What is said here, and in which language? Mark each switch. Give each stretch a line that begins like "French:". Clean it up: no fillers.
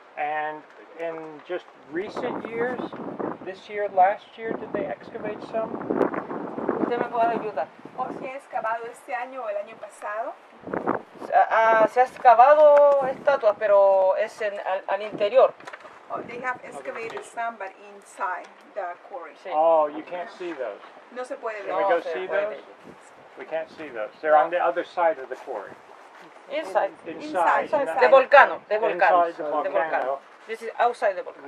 English: And in just recent years, this year, last year, did they excavate some?
Spanish: ¿Usted me puede ayudar? ¿O si ha excavado este año o el año pasado? Se ha excavado estatuas, pero es en al interior.
English: Oh, they have excavated some, but inside the quarry. Oh, you can't see those.
Spanish: No se puede ver.
English: Can we go see those? We can't see those. They're on the other side of the quarry. Inside. The volcano. This is outside the volcano.